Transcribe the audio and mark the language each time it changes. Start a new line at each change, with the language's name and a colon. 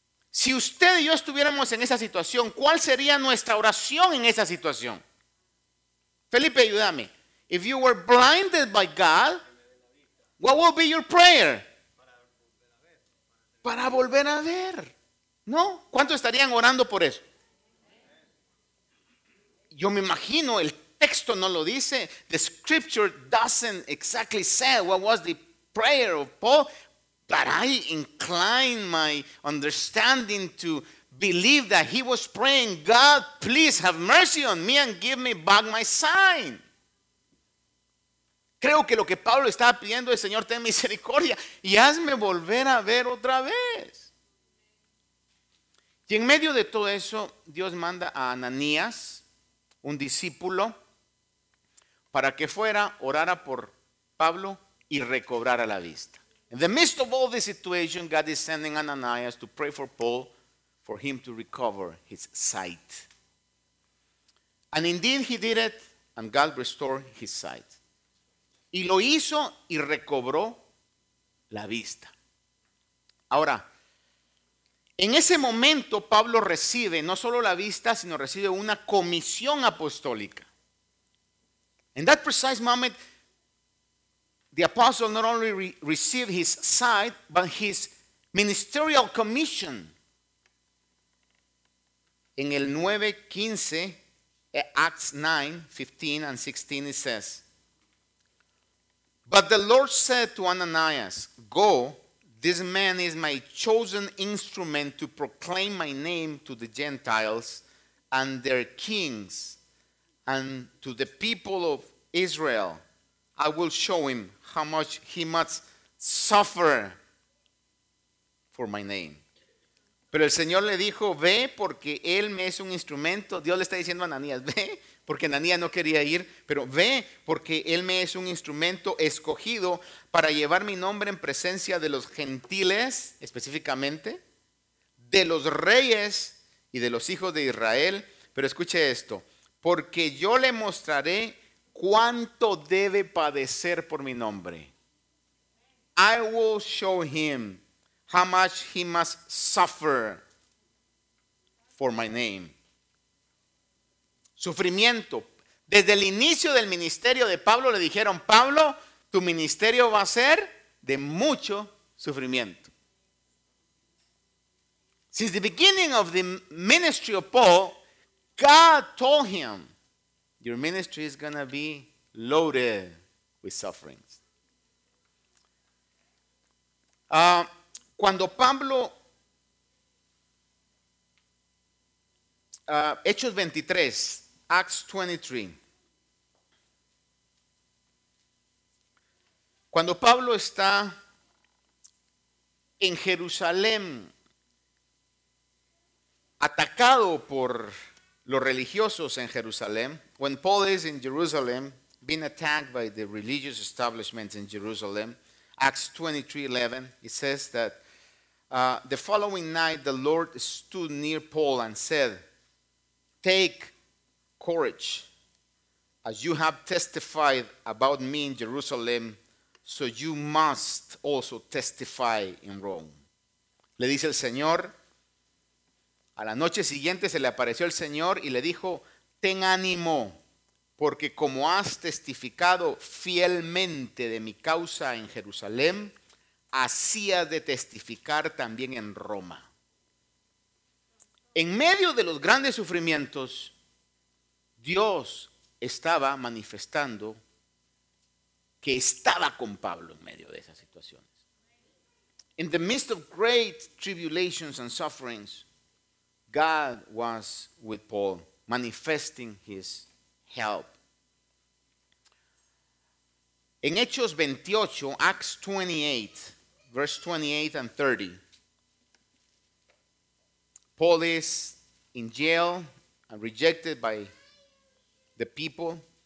Spanish: Si usted y yo estuviéramos en esa situación, ¿cuál sería nuestra oración en esa situación? Felipe, ayúdame.
English: If you were blinded by God, what will be your prayer?
Spanish: Para volver a ver. ¿No? ¿Cuántos estarían orando por eso? Yo me imagino, el texto no lo dice.
English: The scripture doesn't exactly say what was the prayer of Paul. But I incline my understanding to believe that he was praying, God, please have mercy on me and give me back my sight.
Spanish: Creo que lo que Pablo estaba pidiendo es, Señor, ten misericordia y hazme volver a ver otra vez. Y en medio de todo eso, Dios manda a Ananías, un discípulo, para que fuera, orara por Pablo y recobrara la vista.
English: In the midst of all this situation, God is sending Ananias to pray for Paul, for him to recover his sight. And indeed he did it, and God restored his sight.
Spanish: Y lo hizo y recobró la vista. Ahora, en ese momento Pablo recibe no solo la vista, sino recibe una comisión apostólica.
English: In that precise moment, the apostle not only received his sight, but his ministerial commission.
Spanish: En el 9:15,
English: Acts 9:15 and 16, it says, but the Lord said to Ananias, go, this man is my chosen instrument to proclaim my name to the Gentiles and their kings and to the people of Israel. I will show him how much he must suffer for my name.
Spanish: Pero el Señor le dijo, ve, porque él me es un instrumento. Dios le está diciendo a Ananías, ve, porque Ananías no quería ir, pero ve, porque él me es un instrumento escogido para llevar mi nombre en presencia de los gentiles, específicamente, de los reyes y de los hijos de Israel. Pero escuche esto, porque yo le mostraré cuánto debe padecer por mi nombre.
English: I will show him how much he must suffer for my name.
Spanish: Sufrimiento. Desde el inicio del ministerio de Pablo le dijeron, Pablo, tu ministerio va a ser de mucho sufrimiento.
English: Since the beginning of the ministry of Paul, God told him, your ministry is going to be loaded with sufferings.
Spanish: Cuando Pablo, Hechos 23,
English: Acts 23.
Spanish: Cuando Pablo está en Jerusalén,
English: atacado por los religiosos en Jerusalén, when Paul is in Jerusalem, being attacked by the religious establishment in Jerusalem, Acts 23:11, it says that the following night the Lord stood near Paul and said, take courage, as you have testified about me in Jerusalem, so you must also testify in Rome.
Spanish: Le dice el Señor, a la noche siguiente se le apareció el Señor y le dijo, ten ánimo, porque como has testificado fielmente de mi causa en Jerusalén, así has de testificar también en Roma. En medio de los grandes sufrimientos, Dios estaba manifestando que estaba con Pablo en medio de esas situaciones.
English: In the midst of great tribulations and sufferings, God was with Paul, manifesting his help.
Spanish: En Hechos 28,
English: Acts 28, verse 28 and 30, Paul is in jail and rejected by the people.